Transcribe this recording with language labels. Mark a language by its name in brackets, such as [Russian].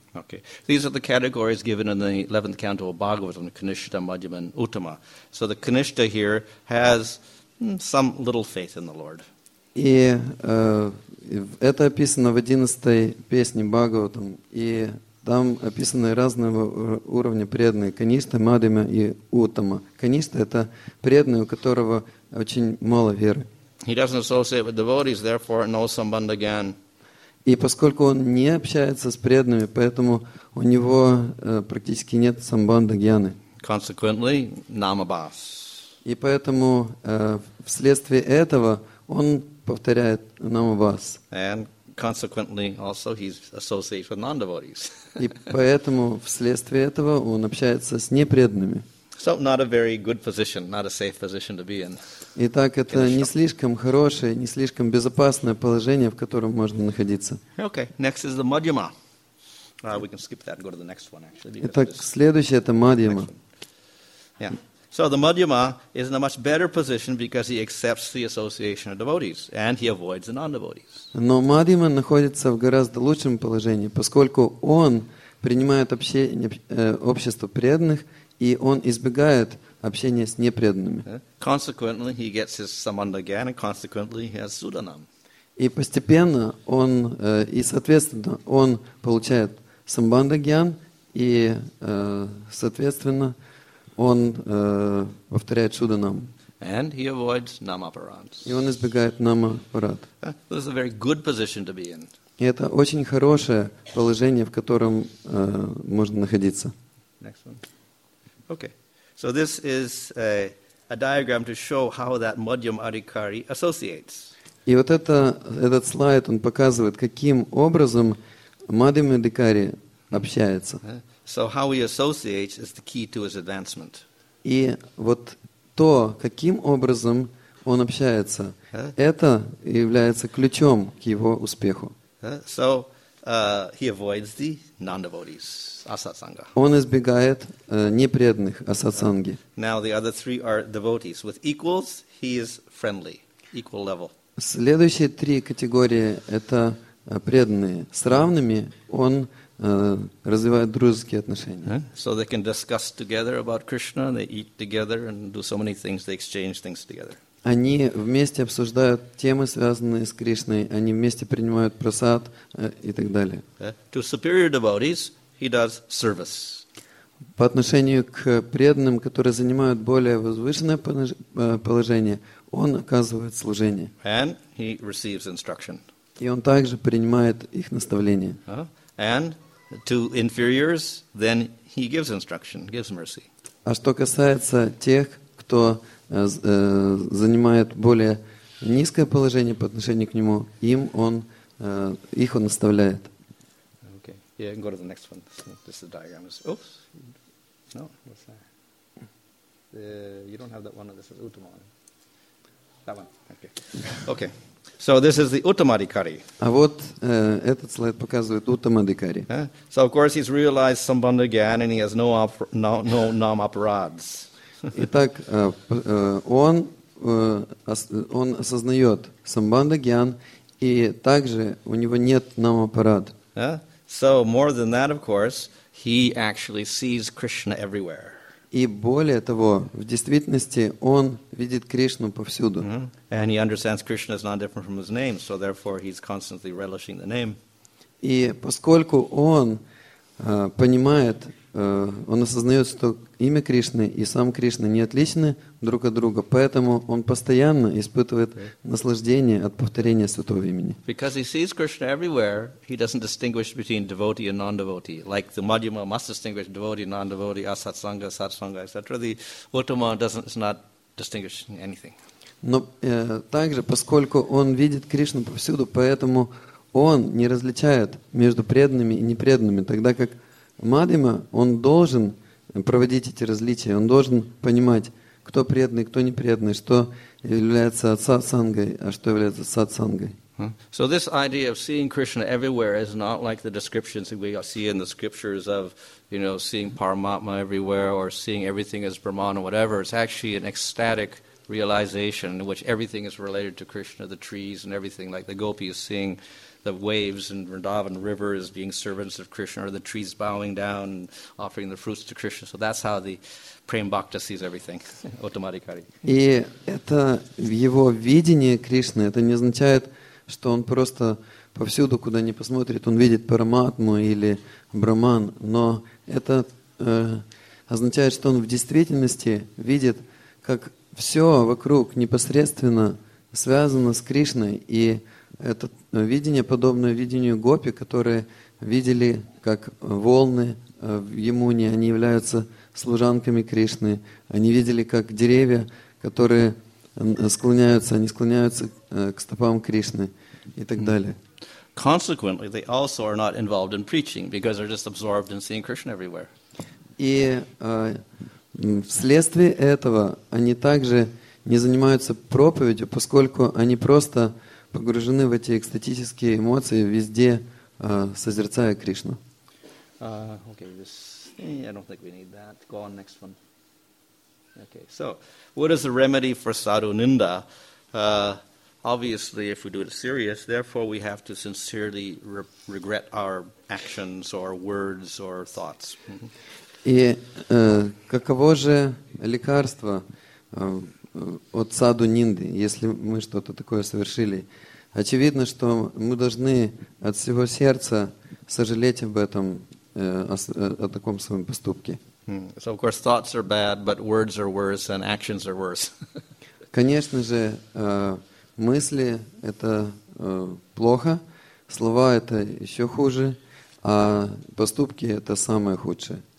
[English] Okay, these are the categories given in the 11th canto of Bhagavatam, Kanishta, Madhyama, and Uttama. So the Kanishta here has some little faith in the Lord. [Russian] И это описано в 11-й песне Бхагаватам, и там описаны разного уровня преданные: Каништа, Мадхима и Уттама. Каништа — это преданный, у которого очень мало веры. [English] He doesn't associate with devotees, therefore no sambandhagyan. [Russian] И поскольку он не общается с преданными, поэтому у него практически нет самбандхагьяны. [English] Consequently, namabhas. [Russian] И поэтому вследствие этого он повторяет намабас. [English] And consequently, also he's associated with non-devotees. [Russian] И поэтому вследствие этого он общается с непреданными. [English] So not a very good position, not a safe position to be in. [Russian] Итак, это не слишком хорошее, не слишком безопасное положение, в котором можно находиться. [English] Okay, next is the Madhyama. We can skip that and go to the next one, actually. [Russian] Итак, следующее это Мадхьяма. [English] Yeah. So the Madhyama is in a much better position because he accepts the association of devotees and he avoids the non-devotees. [Russian] Но Мадхьяма находится в гораздо лучшем положении, поскольку он принимает общество преданных и он избегает общения с непреданными. [English] Consequently, he gets his samandagyan and consequently he has sudanam. [Russian] И постепенно он и соответственно он получает самбандагьян и соответственно он повторяет суданам. [English] And he avoids namaparads. [Russian] И он избегает намапарад. [English] This is a very good position to be in. [Russian] И это очень хорошее положение, в котором можно находиться. [English] Next one. Okay. So this is a diagram to show how that Madhyam Adhikari associates. [Russian] И вот этот слайд, он показывает, каким образом Мадхьям Адхикари общается. [English] So how he associates is the key to his advancement. [Russian] И вот то, каким образом он общается, это является ключом к его успеху. [English] So he avoids the non-devotees, asatsanga. [Russian] Он избегает непреданных, асатсанги. [English] Now the other three are devotees. With equals, he is friendly, equal level. [Russian] Следующие три категории — это преданные. С равными он развивают дружеские отношения. [English] So they can discuss together about Krishna, they eat together and do so many things, they exchange things together. [Russian] Они вместе обсуждают темы, связанные с Кришной, они вместе принимают просад и так далее. [English] To superior devotees, he does service. [Russian] По отношению к преданным, которые занимают более возвышенное положение, он оказывает служение. [English] And he receives instruction. [Russian] И он также принимает их наставления. [English] And to inferiors, then he gives instruction, gives mercy. [Russian] А что касается тех, кто занимает более низкое положение по отношению к нему, им он, их он оставляет. [English] Okay. Yeah, go to the next one. This is the diagram. Oops. No, what's that? You don't have that one. This is Uttamadikari. That one. Okay. Okay. So this is the Uttamadikari. [Russian] А вот этот слайд показывает Uttamadikari. [English] So of course he's realized sambandha gyan and he has no nam aparads. [Russian] Итак, он осознает самбанда гьян, и также у него нет нам аппарат. [English] Yeah? So more than that, of course, he actually sees Krishna everywhere. [Russian] И более того, в действительности он видит Кришну повсюду. Mm-hmm. [English] And he understands Krishna is not different from his name, so therefore he's constantly relishing the name. [Russian] И поскольку он понимает, он осознает, что имя Кришны и сам Кришна не отличны друг от друга, поэтому он постоянно испытывает наслаждение от повторения святого имени. [English] Because he sees Krishna everywhere, he doesn't distinguish between devotee and non-devotee. Like the Madhyama must distinguish devotee, non-devotee, asatsanga, satsanga, etc. The Uttama doesn't, is not distinguishing anything. [Russian] Но также, поскольку он видит Кришну повсюду, поэтому он не различает между преданными и непреданными, тогда как Мадхима, он должен проводить эти различия, он должен понимать, кто преданный, кто непреданный, что является сатсангой, а что является сатсангой. [English] So this idea of seeing Krishna everywhere is not like the descriptions that we see in the scriptures of, you know, seeing Paramatma everywhere or seeing everything as Brahman or whatever. It's actually an ecstatic realization in which everything is related to Krishna, the trees and everything, like the gopi is seeing the waves and Vrindavan rivers being servants of Krishna, or the trees bowing down and offering the fruits to Krishna. So that's how the Prem Bhakta sees everything. Uttamadikari. [Russian] И это его видение Кришны. Это не означает, что он просто повсюду, куда ни посмотрит, он видит Параматму или Брахман. Но это означает, что он в действительности видит, как все вокруг непосредственно связано с Кришной. И это видение, подобное видению гопи, которые видели, как волны в Ямуне, они являются служанками Кришны. Они видели, как деревья, которые склоняются, они склоняются к стопам Кришны и так далее. [English] Consequently, they also are not involved in preaching, because they're just absorbed in seeing Krishna everywhere. [Russian] И вследствие этого они также не занимаются проповедью, поскольку они просто погружены в эти экстатические эмоции везде, созерцая Кришну. [English] Okay, I don't think we need that. Go on, next one. Okay, so, what is the remedy for sadhu ninda? Obviously, if we do it serious, therefore we have to sincerely regret our actions or words or thoughts. [Russian] И каково же лекарство от саду нинды, если мы что-то такое совершили? Очевидно, что мы должны от всего сердца сожалеть об этом, о таком своем поступке. [English] So, of course, thoughts are bad, but words are worse and actions are worse. [Russian] Конечно же, мысли — это плохо, слова — это еще хуже, а поступки — это самое худшее.